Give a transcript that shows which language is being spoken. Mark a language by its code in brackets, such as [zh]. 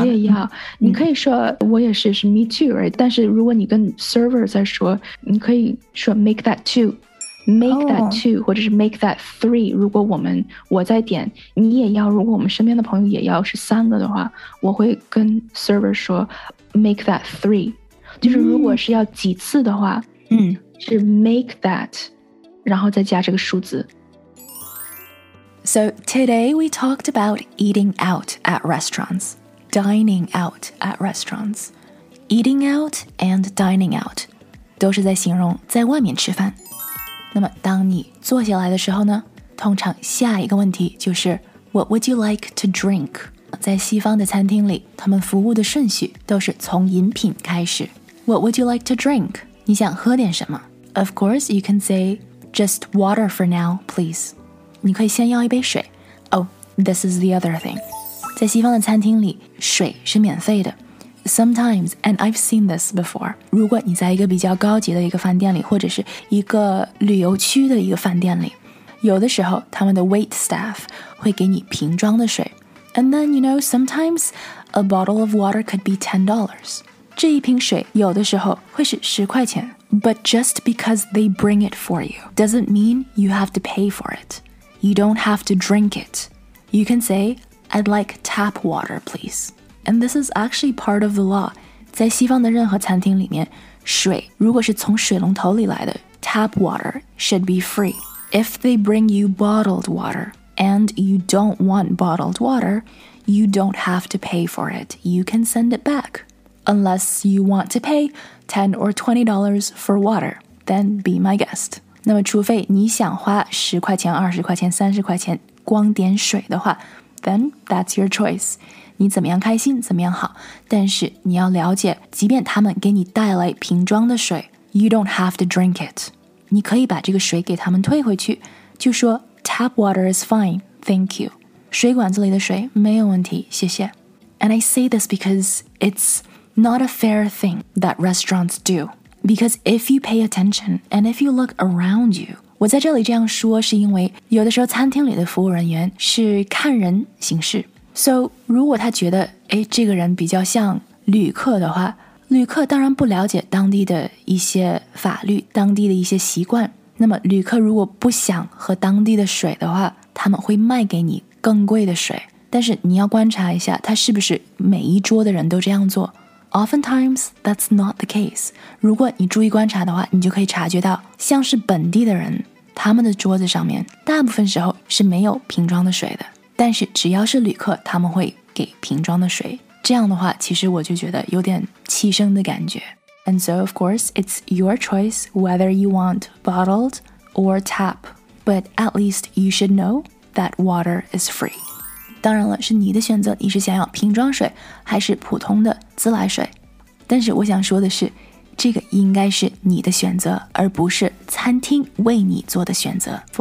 [zh] 啊、我也要、嗯、你可以说我也是 [en] me too, right? [zh] 但是如果你跟 server 在说，你可以说 [en] make that two, make that two、 [zh] oh. 或者是 [en] make that three, [zh] 如果我在点你也要，如果我们身边的朋友也要是三个的话，我会跟 server 说 make that three, 就是如果是要几次的话、嗯嗯，是 [en] make that, [zh] 然后再加这个数字。 [en] So today we talked about eating out at restaurants, dining out at restaurants. Eating out and dining out [zh] 都是在形容在外面吃饭。那么当你坐下来的时候呢，通常下一个问题就是 [en] What would you like to drink? [zh] 在西方的餐厅里，他们服务的顺序都是从饮品开始。 [en] What would you like to drink? [zh] 你想喝点什么? [en] Of course, you can say, just water for now, please. [zh] 你可以先要一杯水。 [en] Oh, this is the other thing. [zh] 在西方的餐厅里,水是免费的。 [en] Sometimes, and I've seen this before, [zh] 如果你在一个比较高级的一个饭店里,或者是一个旅游区的一个饭店里,有的时候他们的 wait staff 会给你瓶装的水。 [en] And then, you know, sometimes a bottle of water could be $10. [zh] 这一瓶水有的时候会是十块钱。 [en] But just because they bring it for you doesn't mean you have to pay for it. You don't have to drink it. You can say, I'd like tap water, please. And this is actually part of the law. [zh] 在西方的任何餐厅里面，水如果是从水龙头里来的 [en] tap water should be free. If they bring you bottled water and you don't want bottled water, you don't have to pay for it. You can send it back. Unless you want to pay $10 or $20 for water, then be my guest. [zh] 那么除非你想花十块钱、二十块钱、三十块钱光点水的话 [en] then that's your choice. [zh] 你怎么样开心怎么样好，但是你要了解，即便他们给你带来瓶装的水 [en] you don't have to drink it. [zh] 你可以把这个水给他们退回去，就说 [en] tap water is fine, thank you. [zh] 水管子里的水没有问题，谢谢。 [en] And I say this because it's not a fair thing that restaurants do. Because if you pay attention and if you look around you, [zh] 我在这里这样说是因为有的时候餐厅里的服务人员是看人行事。 So, 如果他觉得诶这个人比较像旅客的话，旅客当然不了解当地的一些法律，当地的一些习惯。那么旅客如果不想喝当地的水的话，他们会卖给你更贵的水。但是你要观察一下他是不是每一桌的人都这样做。 [en] Oftentimes, that's not the case. [zh] 如果你注意观察的话，你就可以察觉到，像是本地的人，他们的桌子上面，大部分时候是没有瓶装的水的。但是只要是旅客，他们会给瓶装的水。这样的话，其实我就觉得有点欺生的感觉。 [en] And so, of course, it's your choice whether you want bottled or tap. But at least you should know that water is free. [zh] 当然了，是你的选择，你是想要瓶装水还是普通的自来水。但是我想说的是，这个应该是你的选择，而不是餐厅为你做的选择。